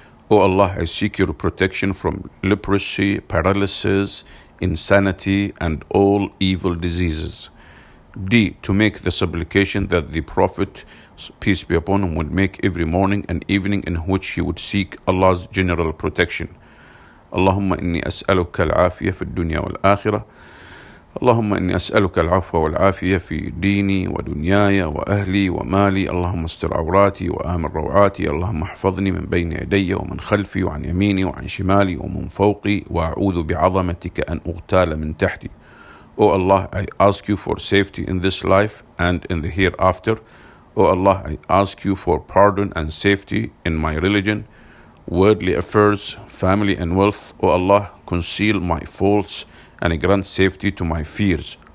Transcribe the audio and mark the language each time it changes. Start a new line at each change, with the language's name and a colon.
English: O Allah, I seek your protection from leprosy, paralysis, insanity, and all evil diseases. D. To make the supplication that the Prophet, peace be upon him, would make every morning and evening in which he would seek Allah's general protection.
Arabic: Allahumma inni as'aluka al-afiyah fi al-dunya wal-akhirah. اللهم إني أسألك العفو والعافية في ديني ودنياي وأهلي ومالي اللهم استر عوراتي وآمن روعاتي اللهم احفظني من بين يدي ومن خلفي وعن يميني وعن شمالي ومن فوقي وأعوذ بعظمتك أن أغتال من تحتي.
English: O Allah, I ask you for safety in this life and in the hereafter. O Allah, I ask you for pardon and safety in my religion, worldly affairs, family and wealth. O Allah, conceal my faults and grant safety to my fears.